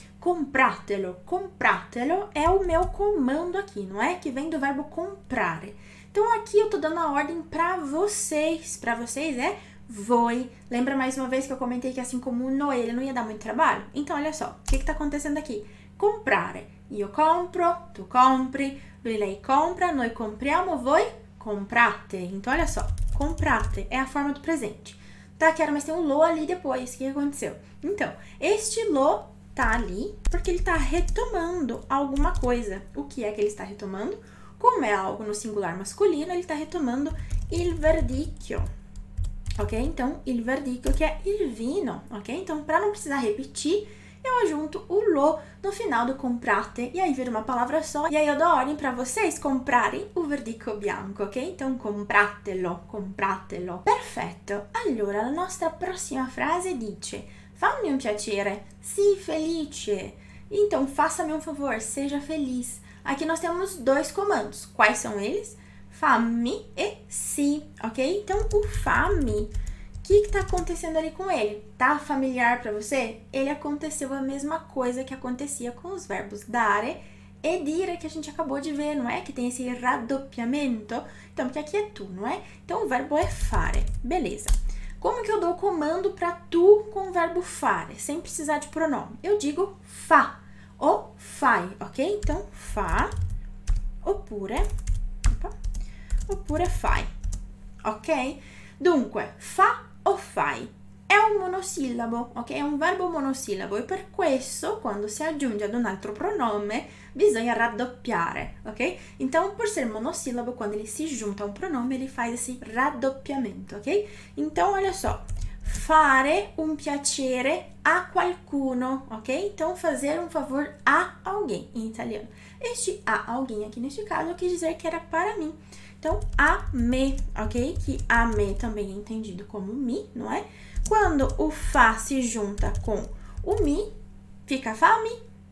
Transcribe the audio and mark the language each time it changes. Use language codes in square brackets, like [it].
[pt] Compratelo, compratelo é o meu comando aqui, não é? Que vem do verbo comprare. Então, aqui eu tô dando a ordem pra vocês é voi. Lembra mais uma vez que eu comentei que assim como no, ele não ia dar muito trabalho? Então, olha só, o que que tá acontecendo aqui? [it] Comprare, io compro, tu compri, lui lei compra, noi compriamo, voi comprate. [pt] Então, olha só, comprate é a forma do presente. Tá, quero, mas tem um lo ali depois, o que aconteceu? Então, este lo tá ali, porque ele tá retomando alguma coisa. O que é que ele está retomando? Como é algo no singular masculino, ele tá retomando il verdicchio, ok? Então, il verdicchio, que é il vino, ok? Então, para não precisar repetir, eu junto o lo no final do comprate, e aí vira uma palavra só, e aí eu dou ordem para vocês comprarem o verdicchio bianco, ok? Então, compratelo, compratelo. [it] Perfetto! Allora, la nostra prossima frase dice... Fammi un piacere, sii felice. [pt] Então, faça-me um favor, seja feliz. Aqui nós temos dois comandos. Quais são eles? Fammi e sii, ok? Então, o fammi, o que está acontecendo ali com ele? Tá familiar para você? Ele aconteceu a mesma coisa que acontecia com os verbos dare e dire que a gente acabou de ver, não é? Que tem esse raddoppiamento. Então, porque aqui é tu, não é? Então, o verbo é fare, beleza. Como que eu dou comando para tu com o verbo fare, sem precisar de pronome? Eu digo fa ou fai, ok? Então, fa oppure fai, ok? Dunque, fa ou fai é um monossílabo, ok? É um verbo monossílabo [it] e per questo, quando si aggiunge ad un altro pronome, bisogna raddoppiare, ok? [pt] Então, por ser monossílabo, quando ele se junta a um pronome, ele faz esse raddoppiamento, ok? Então, olha só, [it] fare un piacere a qualcuno, [pt] ok? Então, fazer um favor a alguém, em italiano. Este a alguém aqui, neste caso, quer dizer que era para mim. Então, a me, ok? Que a me também é entendido como mi, não é? Quando o fa se junta com o mi, fica fami.